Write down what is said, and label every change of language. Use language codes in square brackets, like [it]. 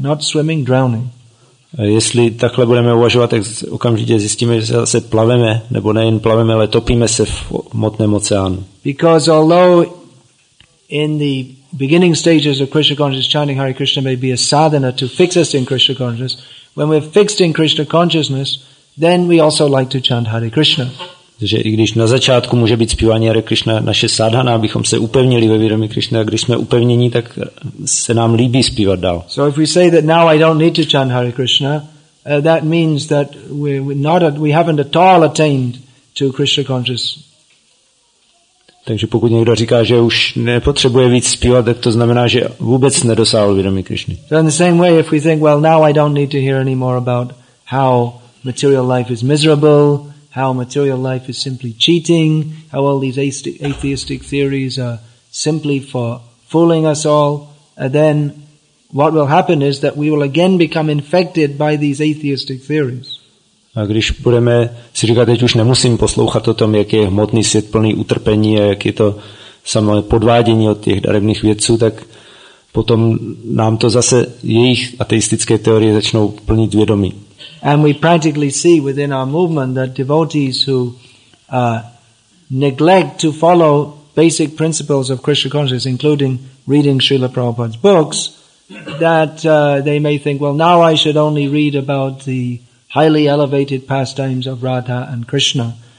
[en] Not swimming, drowning. [cs] Jestli takhle budeme uvažovat, tak okamžitě zjistíme, že se plaveme, nebo nejen plaveme, ale topíme se v hmotném oceánu. [en] Because although in the beginning stages of Krishna consciousness, chanting Hare Krishna may be a sadhana to fix us in Krishna consciousness, when we're fixed in Krishna consciousness, then we also like to chant Hare Krishna. [cs] Takže i když na začátku může být zpívání Hare Krishna naše sadhana, abychom se upevnili ve vědomí Krishna, a když jsme upevnění, tak se nám líbí zpívat dál. [en] So if we say that now I don't need to chant Hare Krishna, that means that we haven't at all attained to Krishna consciousness. [cs] Takže pokud někdo říká, že už nepotřebuje víc zpívat, tak to znamená, že vůbec nedosáhl vědomí Krišny. [en] So in the same way, if we think, well, now I don't need to hear any more about how material life is miserable, how material life is simply cheating, how all these atheistic theories are simply for fooling us all, and then what will happen is that we will again become infected by these atheistic theories. [cs] A když budeme si říkat, teď už nemusím poslouchat o tom, jak je hmotný svět plný utrpení a jak je to samo podvádění od těch darebných vědců, tak potom nám to zase jejich ateistické teorie začnou plnit vědomí. [en] And we practically see within our movement that devotees who neglect to follow basic principles of Krishna consciousness, including reading Srila Prabhupada's books, that they may think, well, now I should only read about the highly elevated pastimes of Radha and Krishna.